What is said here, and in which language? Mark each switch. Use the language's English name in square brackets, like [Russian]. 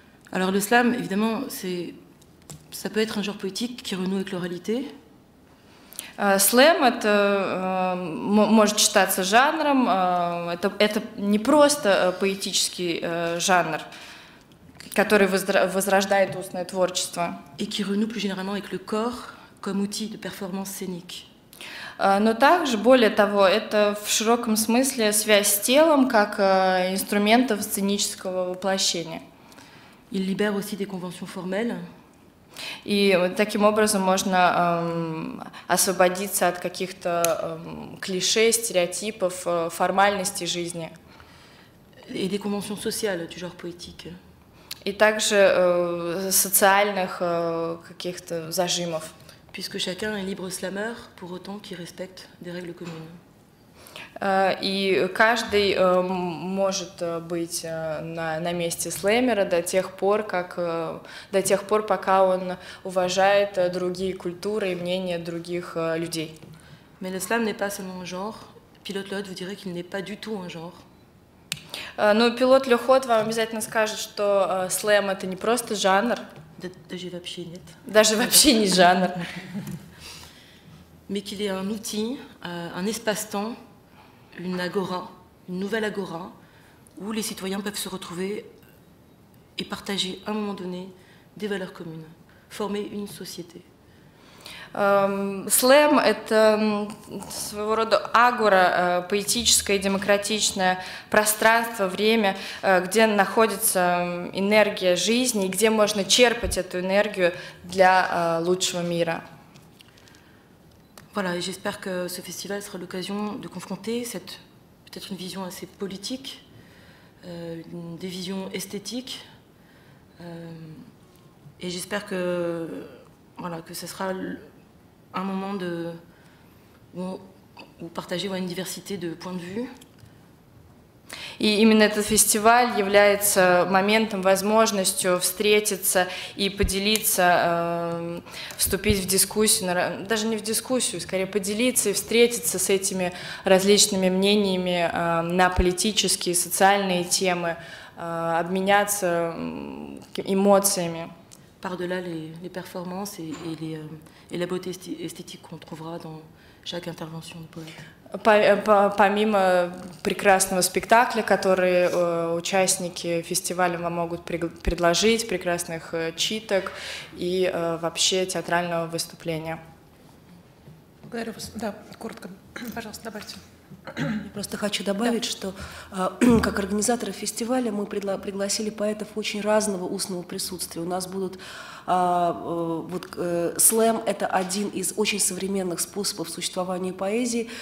[French] Alors le slam, évidemment, c'est ça peut être un genre poétique qui renoue avec l'oralité. [Russian] Слэм это может считаться жанром, это не просто поэтический жанр, который возрождает устное творчество. [French] Et qui renoue plus généralement avec le corps comme outil de performance scénique. [Russian] Но также, более того, это в широком смысле связь с телом как инструментом сценического воплощения. [French] Il libère aussi des conventions formelles. [Russian] И таким образом можно освободиться от каких-то клише, стереотипов, формальности жизни. [French] Et des conventions sociales du genre poétique. [Russian] И также социальных каких-то зажимов. [French] Puisque chacun est libre slameur, pour autant qu'il respecte des règles communes. [Russian] И каждый может быть на месте слэмера до тех пор, пока он уважает другие культуры и мнения других людей. [French] Mais le slam n'est pas seulement un genre. Pilote-le-Haut vous dirait qu'il n'est pas du tout un genre. [Russian] Ну, пилот Ле-Хот вам обязательно скажет, что слэм это не просто жанр. Даже вообще нет. Даже вообще не жанр. [French] Mais qu'il est un outil, un espace-temps. Une agora, une nouvelle agora, où les citoyens peuvent se retrouver et partager à un moment donné des valeurs communes, former une société. [Russian] Слэм – это своего рода агора, поэтическое и демократичное пространство, время, где находится энергия жизни и где можно черпать эту энергию для лучшего мира. [French] Voilà, et j'espère que ce festival sera l'occasion de confronter cette, peut-être une vision assez politique, des visions esthétiques. Et j'espère que, voilà, que ce sera un moment de, où partager une diversité de points de vue. [Russian] И именно этот фестиваль является моментом, возможностью встретиться и поделиться, вступить в дискуссию, даже не в дискуссию, скорее поделиться и встретиться с этими различными мнениями на политические, социальные темы, обменяться эмоциями. [French] Par-delà les performances et la beauté esthétique qu'on trouvera dans chaque intervention de poète. [Russian] Помимо прекрасного спектакля, который участники фестиваля вам могут предложить, прекрасных читок и вообще театрального выступления. Благодарю вас. Да, коротко, пожалуйста, добавьте. Я просто хочу добавить, да. Что как организаторы фестиваля мы пригласили поэтов очень разного устного присутствия. У нас будут слэм – это один из очень современных способов существования поэзии.